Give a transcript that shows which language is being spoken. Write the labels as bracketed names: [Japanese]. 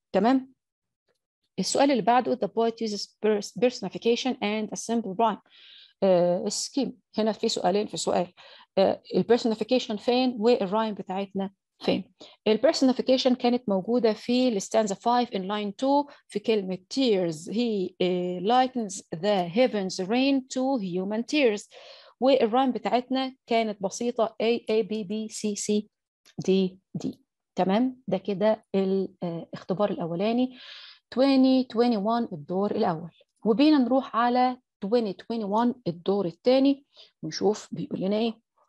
[Arabic] تمام، السؤال اللي بعده، [English] the poet uses personification and a simple rhyme scheme. [Arabic] هنا في سؤالين في سؤال، personification فين والرايم بتاعتنا فين؟ البيرسونيفيكيشن كانت موجوده في الستانزا 5 ان لاين 2 في كلمه tears. [English] He lightens the heavens rain to human tears. [Arabic] والرايم بتاعتنا كانت بسيطه A A B B C C D D. تمام؟ ده كده الاختبار الاولاني 2021 الدور الاول، وبينا نروح على 2021 الدور الثاني ونشوف بيقول لنا ايه.